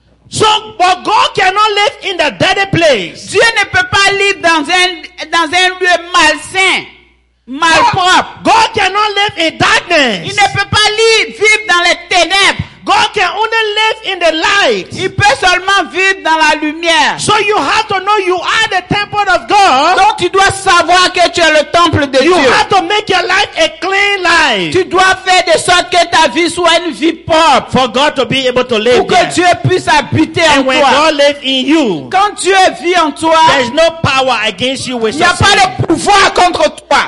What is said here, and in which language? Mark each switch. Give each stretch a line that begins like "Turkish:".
English: So, but God cannot live in the dirty place.
French: Dieu ne peut pas vivre dans un lieu malsain, mal propre.
English: God cannot live in darkness.
French: Il ne peut pas vivre dans les ténèbres.
English: God can only live in the light.
French: Il peut seulement vivre dans la lumière.
English: So you have to know you are the temple of God.
French: Donc tu dois savoir que tu es le temple de
English: you
French: Dieu.
English: You have to make your life a clean life.
French: Tu dois faire de sorte que ta vie soit une vie propre.
English: For God to be able to live
French: pour que
English: there.
French: Dieu puisse habiter
English: and
French: en
English: when
French: toi.
English: God live in you.
French: Quand Dieu vit en toi.
English: There is no power against you with Satan.
French: Il n'y a pas de pouvoir contre toi.